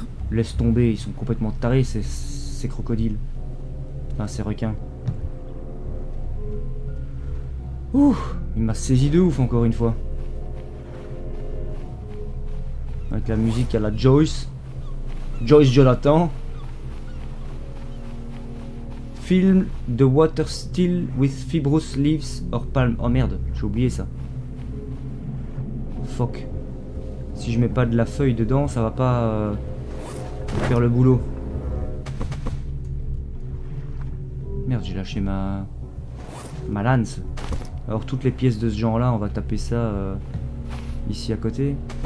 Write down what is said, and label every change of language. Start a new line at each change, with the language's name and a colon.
French: Laisse tomber, ils sont complètement tarés ces crocodiles. Enfin, ces requins. Ouh, il m'a saisi de ouf encore une fois. Avec la musique à la Joyce. Joyce Jonathan.
English: Film the water still with fibrous leaves or palm.
French: Oh merde, j'ai oublié ça. Fuck. Si je mets pas de la feuille dedans, ça va pas faire le boulot. Merde, j'ai lâché ma... ma lance. Alors, toutes les pièces de ce genre-là, on va taper ça ici à côté.